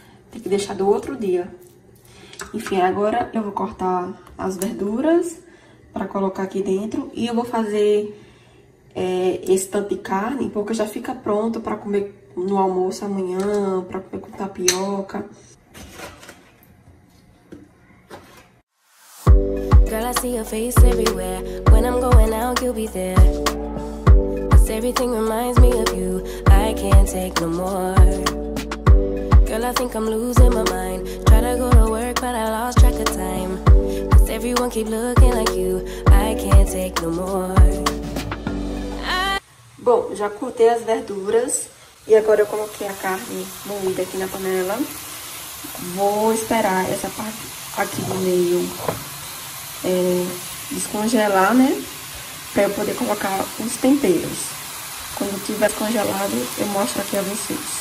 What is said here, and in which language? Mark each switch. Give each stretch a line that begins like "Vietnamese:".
Portuguese: Tem que deixar do outro dia. Enfim, agora eu vou cortar as verduras para colocar aqui dentro e eu vou fazer esse tanto de carne porque já fica pronto para comer no almoço amanhã, para comer com tapioca.
English: Girl, I see your face everywhere. When I'm going out, you'll be there. Cause everything reminds me of you. I can't take no more. Girl, I think I'm losing my mind. Try to go to work, but I lost track of time. Cause everyone keep looking like you. I can't take no more.
Portuguese: Bom, já cortei as verduras e agora eu coloquei a carne moída aqui na panela. Vou esperar essa parte aqui do meio descongelar, né? Para eu poder colocar os temperos. Quando tiver congelado, eu mostro aqui a vocês.